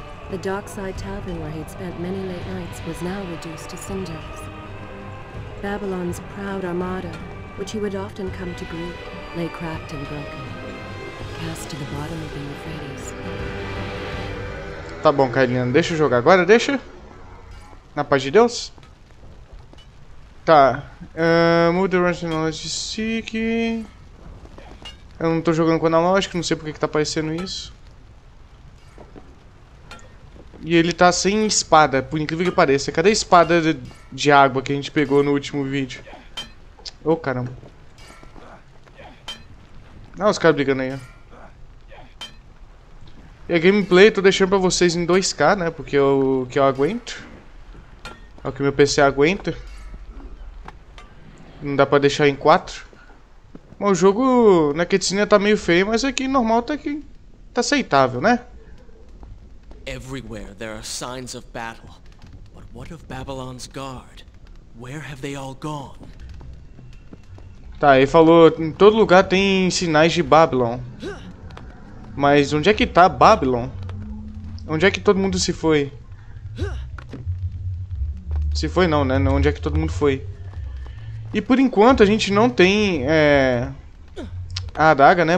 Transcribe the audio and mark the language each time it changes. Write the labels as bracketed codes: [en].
[en] The Darkside Tavern where he'd spent many late nights was now reduced to cinders. Babylon's proud armada, which he would often come to greet, lay cracked and broken, cast to the bottom of the Euphrates. [pt] Tá bom, Kailina, deixa eu jogar agora, deixa. Na paz de Deus. Tá. [en] Move the range analogy seek. [pt] Eu não tô jogando com analógico, não sei porque que tá aparecendo isso. E ele tá sem espada, por incrível que pareça. Cadê a espada de água que a gente pegou no último vídeo? Ô, caramba. Olha os caras brigando aí, ó. E a gameplay eu tô deixando pra vocês em 2K, né? Porque é o que eu aguento. É o que meu PC aguenta. Não dá pra deixar em 4. Bom, o jogo na cutscene tá meio feio, mas aqui normal tá aqui. Tá aceitável, né? [en] Everywhere there are signs of battle. But what of Babylon's guard? Where have they all gone? [pt] Tá, ele falou, em todo lugar tem sinais de Babylon. Mas onde é que tá Babylon? Onde é que todo mundo se foi? Se foi não, né? Onde é que todo mundo foi? E por enquanto a gente não tem a adaga, né?